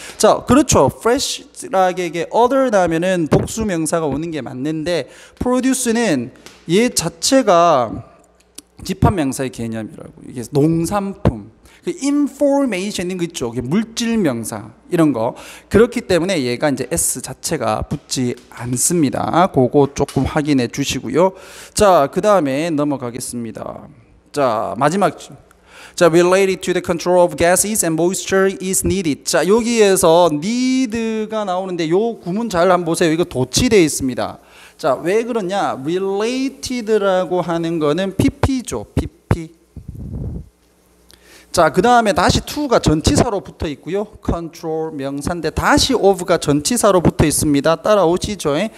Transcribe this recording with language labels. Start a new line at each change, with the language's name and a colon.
Korean: 자, 그렇죠. fresh라게 other 다음에는 복수 명사가 오는 게 맞는데 produce는 얘 자체가 집합 명사의 개념이라고. 이게 농산품 그 information인 거 있죠. 물질 명사 이런 거. 그렇기 때문에 얘가 이제 s 자체가 붙지 않습니다. 그거 조금 확인해 주시고요. 자, 그다음에 넘어가겠습니다. 자, 마지막.
English: 자, related to the control of gases and moisture is needed.
Korean: 자, 여기에서 need가 나오는데 요 구문 잘 한번 보세요. 이거 도치되어 있습니다. 자, 왜 그러냐? related라고 하는 거는 pp죠. pp. 자, 그 다음에 다시 to가 전치사로 붙어 있고요. control 명사인데 다시 of가 전치사로 붙어 있습니다. 따라오시죠.